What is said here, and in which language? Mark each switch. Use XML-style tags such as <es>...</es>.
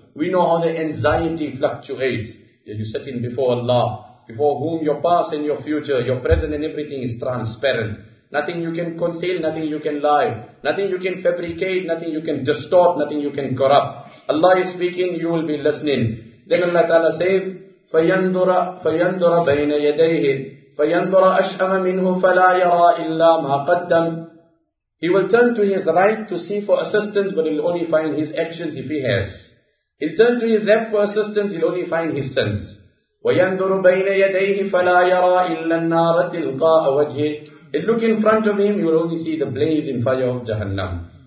<en>We know how the anxiety fluctuates. You're sitting before Allah, before whom your past and your future, your present and everything is transparent. Nothing you can conceal, nothing you can lie, nothing you can fabricate, nothing you can distort, nothing you can corrupt. Allah is speaking, you will be listening.</en> <ar>Then Allah Ta'ala says, فَيَنْدُرَ بَيْنَ يَدَيْهِ فَيَنْدُرَ أَشْأَمَ مِنْهُ فَلَا يَرَى إِلَّا مَا قَدَّمْ.</ar> <en>He will turn to his right to see for assistance, but he'll only find his actions if he has. He'll turn to his left for assistance, he'll only find his sins.</en> <ar>وَيَنْدُرُ بَيْنَ يَدَيْهِ فَلَا يَرَى إِلَّا النَّارَ تِلْقَاءَ وَجْهِ.</ar> <en>He'll look in front of him, you'll only see the blazing fire of Jahannam.</en>